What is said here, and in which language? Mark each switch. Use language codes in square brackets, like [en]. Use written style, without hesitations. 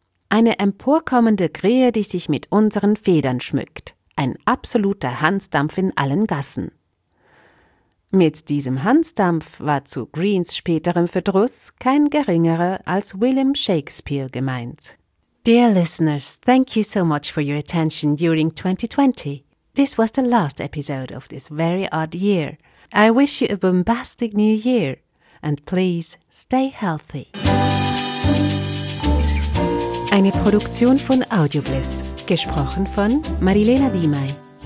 [de] Eine emporkommende Krähe, die sich mit unseren Federn schmückt. Ein absoluter Hansdampf in allen Gassen. Mit diesem Hansdampf war zu Greens späterem Verdruss kein geringerer als William Shakespeare gemeint. [en] Dear listeners, thank you so much for your attention during 2020. This was the last episode of this very odd year. I wish you a bombastic new year. And please, stay healthy. [de] Eine Produktion von Audiobliss. Gesprochen von Marilena Diemey.